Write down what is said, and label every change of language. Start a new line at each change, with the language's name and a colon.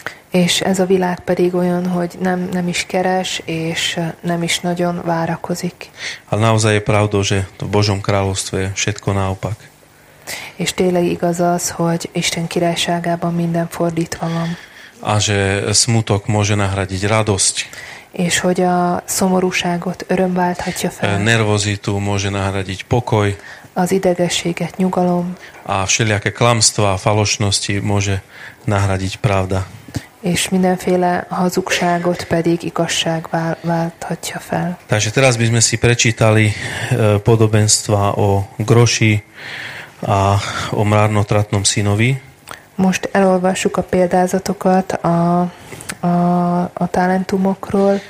Hungarian: És ez a világ pedig olyan, hogy nem is keres, és nem is nagyon várakozik.
Slovak: A naozaj je pravda, že v Božom kráľovstve je všetko naopak.
Hungarian: És tényleg igaz az, hogy Isten királyságában minden fordítva van.
Slovak: A že smutok môže nahradiť radosť.
Hungarian: És hogy a szomorúságot öröm válthatja fel.
Slovak: Nervozitu môže nahradiť pokoj.
Hungarian: Az idegességet nyugalom.
Slovak: A všelijaké klamstvá a falošnosti môže nahradiť pravda.
Hungarian: És mindenféle hazugságot pedig igazság válthatja fel.
Slovak: Takže teraz by sme si prečítali podobenstva o groši a o márnotratnom synovi.
Hungarian: Most elolvassuk a példázatokat a talentumokról.